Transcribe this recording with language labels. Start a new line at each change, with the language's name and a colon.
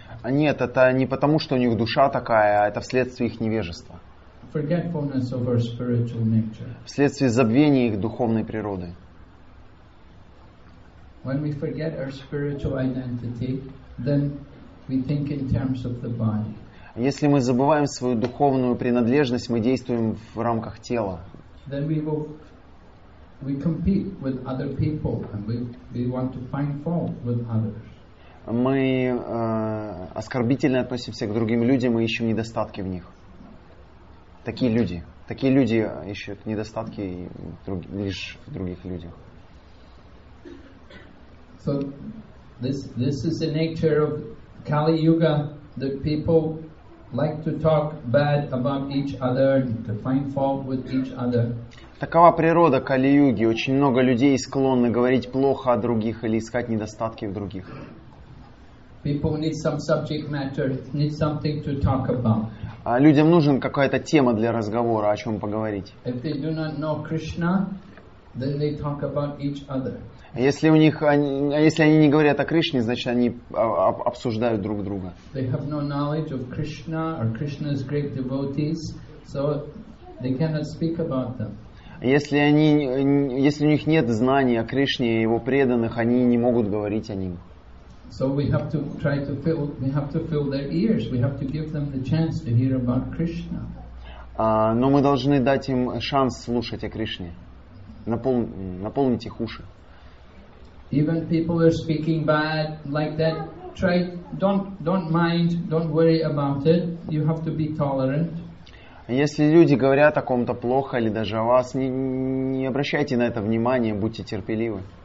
Russian: Нет, это не потому, что у них душа такая, а это вследствие их невежества.
English: Forgetfulness of our spiritual nature.
Russian: Вследствие забвения их духовной природы.
English: When we forget our spiritual identity, then we think in terms of the body.
Russian: Если мы забываем свою духовную принадлежность, мы действуем в рамках тела.
English: Then we compete with other people and we want to find fault with others.
Russian: Мы оскорбительно относимся к другим людям и ищем недостатки в них. Такие люди ищут недостатки лишь в других людях.
English: So this is the nature of Kali Yuga, that people like to talk bad about each other, to find fault with each other.
Russian: Такова природа Кали-юги. Очень много людей склонны говорить плохо о других или искать недостатки в других.
English: People need some subject matter, need something to talk about.
Russian: А людям нужен какая-то тема для разговора, о чем поговорить.
English: If they do not know Krishna, then they talk about each other.
Russian: Если они не говорят о Кришне, значит они обсуждают друг друга.
English: They have no knowledge of Krishna or Krishna's great devotees, so they cannot speak about them.
Russian: Если у них нет знаний о Кришне и его преданных, они не могут говорить о нем.
English: So we have to try to fill, we have to fill their ears. We have to give them the chance to hear about Krishna.
Russian: Но мы должны дать им шанс слушать о Кришне. Наполнить их уши.
English: Even people are speaking bad like that. Try, don't mind, don't worry about it. You have to be tolerant.
Russian: Если люди говорят о ком-то плохо или даже о вас, не обращайте на это внимания, будьте терпеливы.